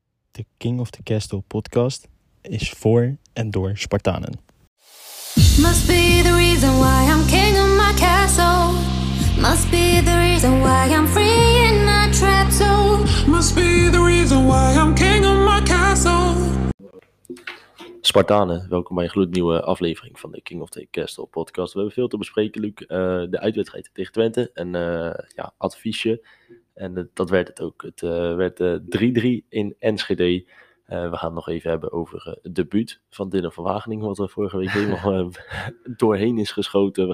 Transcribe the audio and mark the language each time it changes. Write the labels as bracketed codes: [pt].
[nl] De King of the Castle podcast is voor en door Spartanen. [en] Must be the reason why I'm king of my castle. Must be the reason why I'm free in my trap zone. Must be the reason why I'm king of my castle. [nl] Spartanen, welkom bij een gloednieuwe aflevering van de King of the Castle podcast. We hebben veel te bespreken, Luc. De uitwedstrijd tegen Twente en adviesje. En dat werd het ook. Het werd 3-3 in Enschede. We gaan het nog even hebben over het debuut van Dylan van Wageningen, wat er vorige week helemaal doorheen is geschoten.